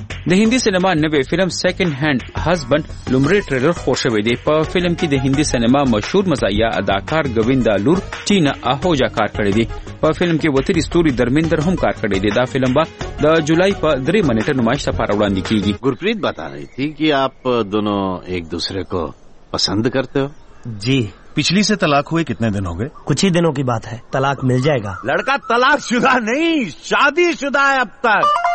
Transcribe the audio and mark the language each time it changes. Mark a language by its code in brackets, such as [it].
[ps] د هندي سینما نوې فلم سیکنډ هینڈ هزبند لومړی ټریلر خپور شوی دی. په فلم کې د هندي سینما مشهور مزایا اداکار گوویندا لور ٹینا آہوجا کار کړی دی. په فلم کې وتری ستوري درمندر هم کار کړی دی. دا فلم به د جولای په 3 نیټه نمایښت لپاره وړاندې کیږي. [hi] گرپریت بتا رہی تھی کہ آپ دونوں ایک دوسرے کو पसंद करते हो? जी। पिछली से तलाक हुए कितने दिन हो गए? कुछ ही दिनों की बात है, तलाक मिल जाएगा। लड़का तलाक शुदा नहीं, शादी शुदा है अब तक।